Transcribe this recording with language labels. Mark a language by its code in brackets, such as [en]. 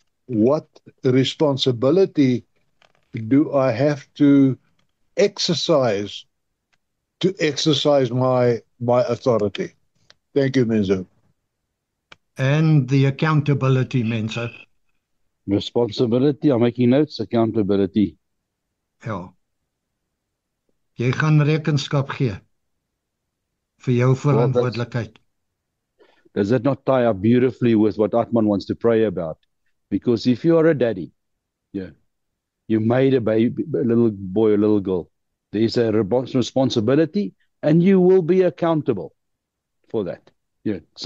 [en] What responsibility do I have to exercise to exercise my authority? Thank you, Menzo. And the accountability, Menzo. Responsibility, I'm making notes, accountability. [af] Ja. Jy gaan rekenskap gee vir jou verantwoordelikheid. [en] Does that not tie up beautifully with what Atman wants to pray about? Because if you are a daddy, yeah, you made a baby, a little boy, a little girl, there is a responsibility, and you will be accountable for that. Yeah.